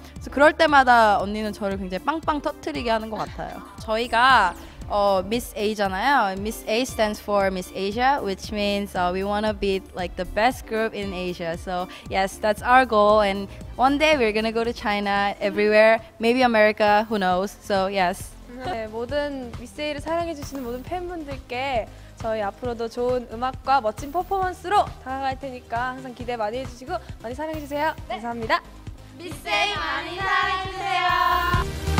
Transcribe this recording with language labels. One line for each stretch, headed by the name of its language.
Korean: 그래서 그럴 때마다 언니는 저를 굉장히 빵빵 터뜨리게 하는 것 같아요. 저희가 Miss A잖아요.
English: Miss A stands for Miss Asia, which means we want to be like the best group in Asia. So yes, that's our goal. And one day we're gonna go to China, everywhere, maybe America, who knows? So yes.
Korean: 네, 모든 미세이를 사랑해주시는 모든 팬분들께 저희 앞으로도 좋은 음악과 멋진 퍼포먼스로 다가갈 테니까 항상 기대 많이 해주시고 많이 사랑해주세요. 네. 감사합니다. 미세이 많이 사랑해주세요.